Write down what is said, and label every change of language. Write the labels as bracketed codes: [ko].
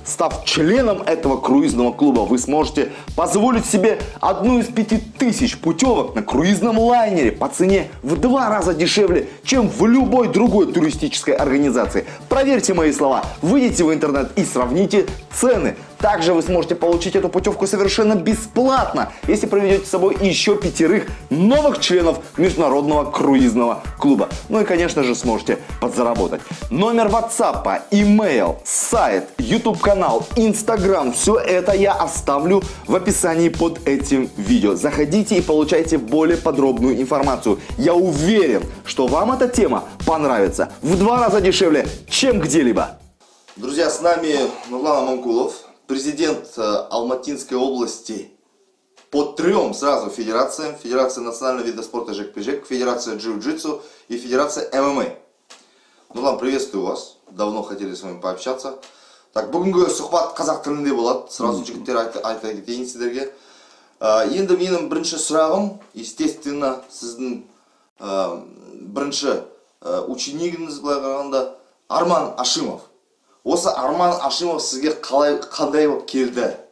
[ru] Став членом этого круизного клуба, вы сможете позволить себе одну из 5000 путевок на круизном лайнере по цене в 2 раза дешевле, чем в любой другой туристической организации. Проверьте мои слова, выйдите в интернет и сравните цены. Также вы сможете получить эту путевку совершенно бесплатно, если приведете с собой еще 5 новых членов международного круизного клуба. Ну и, конечно же, сможете подзаработать. Номер WhatsApp, email, сайт, YouTube канал, Instagram — все это я оставлю в описании под этим видео. Заходите и получайте более подробную информацию. Я уверен, что вам эта тема понравится в 2 раза дешевле, чем где-либо. Друзья, с нами Нурлан Аманкулов, президент Алматинской области по 3 сразу федерациям. Федерация национального вида спорта ЖЭК-ПЖЭК, Федерация джиу-джитсу и Федерация ММА. Ну, ладно, приветствую вас. Давно хотели с вами пообщаться. [kk] Так, бүгінгі сұхбат қазақ тілінде болады. Сразу жігіттер айта кетейін сіздерге. Енді менің бірінші сұрағым, естественно, сіздің бірінші ученигіңіз, былай қарағанда, Арман Ашимов. Осы Арман Ашимов сізге қандай болып келді?